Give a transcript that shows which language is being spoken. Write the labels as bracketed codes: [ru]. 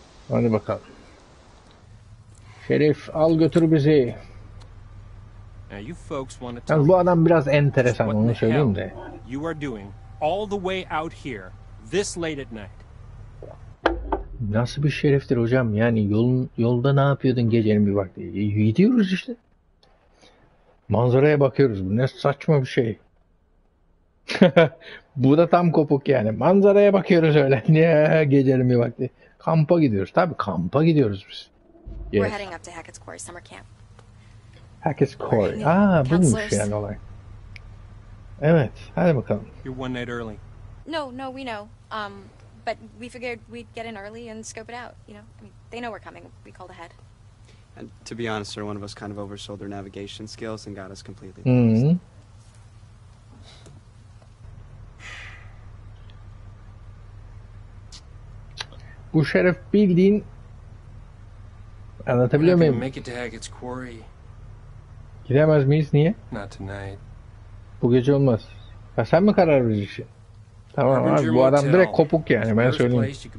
[tr] Hadi bakalım. Şerif, al götür bizi. Yani bu adam biraz enteresan, onu söyleyeyim de. [en] You are doing all the way out here this late at night. [tr] Nasıl bir şereftir hocam? Yani yolda ne yapıyordun gecenin bir vakti? Gidiyoruz işte. Manzaraya bakıyoruz. Bu ne saçma bir şey. Bu da tam kopuk yani. Manzaraya bakıyoruz öyle. Gecenin bir vakti. Kampa gidiyoruz. Tabii kampa gidiyoruz biz. [en] Yes. We're heading up to Hackett's Quarry summer camp. [tr] Hackett's Quarry. Aa, buymuş yani olay. Evet, hadi bakalım. [en] You're one night early. No, we know. But we figured we'd get in early and scope it out, you know? I mean, they know we're coming. We called ahead. And to be honest, sir, one of us kind of oversold their navigation skills and got us completely lost. Mm-hmm. [tr] Bu şeref bildiğin... Anlatabiliyor muyum? [en] Make it to Hackett's Quarry. [tr] Gidemez miyiz? Niye? [en] Not tonight. [tr] Bu gece olmaz. Ya sen mi karar vereceksin? Tamam abi, bu adam direkt kopuk yani, ben söyleyeyim.